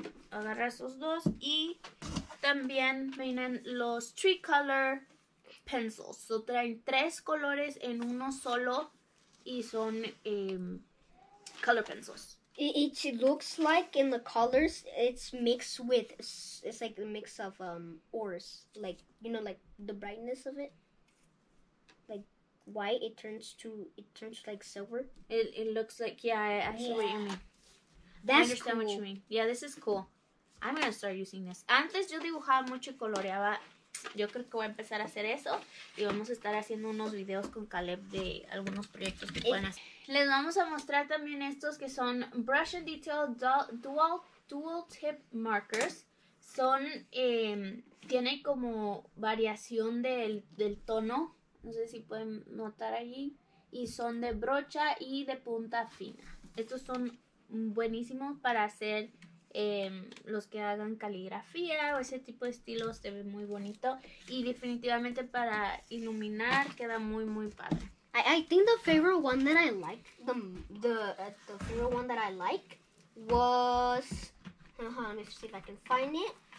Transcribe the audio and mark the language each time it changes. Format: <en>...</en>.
<es>Agarra esos dos y también vienen los</es> <en>three color pencils.</en> <es>So, traen tres colores en uno solo y son color pencils.</es> <en>It looks like in the colors, it's mixed with, it's like a mix of ores, like, you know, like the brightness of it, like white, it turns like silver. It looks like, yeah, I see what you mean. That's cool. I understand what you mean. Yeah, this is cool. I'm going to start using this.</en> <es>Antes yo dibujaba mucho y coloreaba. Yo creo que voy a empezar a hacer eso. Y vamos a estar haciendo unos videos con Caleb de algunos proyectos que puedan hacer. Les vamos a mostrar también estos que son Brush and Detail Dual Tip Markers. Son, tienen como variación del tono. No sé si pueden notar allí. Y son de brocha y de punta fina. Estos son buenísimos para hacer... los que hagan caligrafía o ese tipo de estilos, se ve muy bonito. Y definitivamente para iluminar queda muy muy padre.</es> <en>I think the favorite one that I like the favorite one that I like was let me see if I can find it.</en>